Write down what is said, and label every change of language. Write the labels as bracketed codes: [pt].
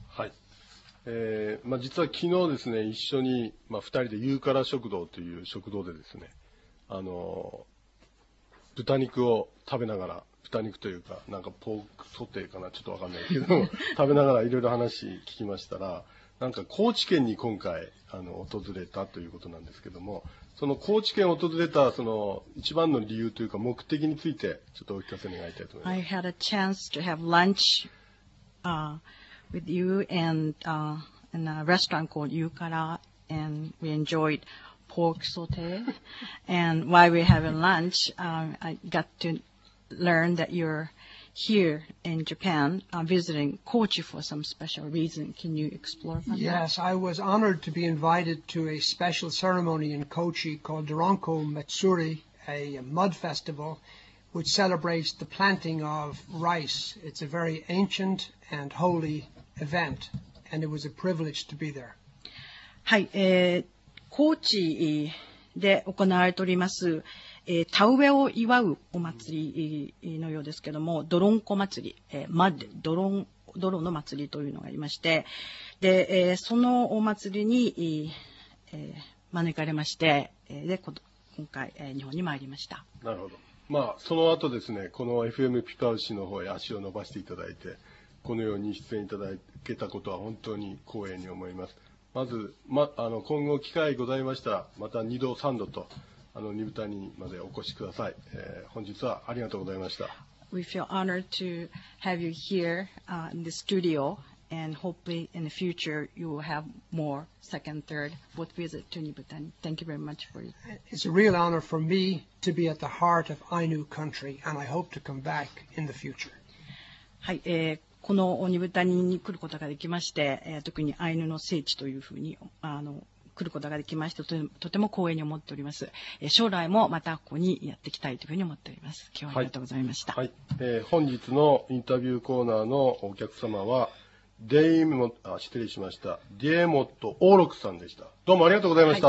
[ja] はい、まあ、実は昨日ですね、一緒に、まあ、2人でユーカラ食堂という食堂でですね、豚肉を食べながら、豚肉というか、なんかポークソテーかな、ちょっとわかんないけど、食べながらいろいろ話聞きましたら、なんか高知県に今回訪れたということなんですけども、その高知県を訪れたその一番の理由というか目的についてちょっとお聞かせ願いたいと思います。 [en] I had a chance to have lunch with you and in a restaurant called Yukara, and we enjoyed pork saute. And while we're having lunch, I got to learn that you're here in Japan, visiting Kochi for some special reason. Can you explore that? Yes, I was honored to be invited to a special ceremony in Kochi called Doronko Matsuri, a mud festival, which celebrates the planting of rice. It's a very ancient and holy event, and it was a privilege to be there. Hi. [ja] 高知で行われております、田植えを祝うお祭りのようですけども、ドロンコ祭り、マッド、ドロンの祭りというのがありまして、で、そのお祭りに、招かれまして、で、今回、日本に参りました。なるほど。まあ、その後ですね、この FM ピパウシの方へ足を伸ばしていただいて、このように出演いただけたことは本当に光栄に思います。まず、ま、今後機会ございましたら、また2度3度と、ニブタニまでお越しください。本日はありがとうございました。 [en] We feel honored to have you here, in the studio, and hopefully in the future you will have more second, third, fourth visit to Nibutani. Thank you very much for you. It's a real honor for me to be at the heart of Ainu country, and I hope to come back in the future. [ja] はい。このニブタニに来ることができまして、特にアイヌの聖地というふうに来ることができまして、とても光栄に思っております。将来もまたここにやってきたいというふうに思っております。今日はありがとうございました。はい、はい、本日のインタビューコーナーのお客様はディエモット・オーロクさんでした。どうもありがとうございました。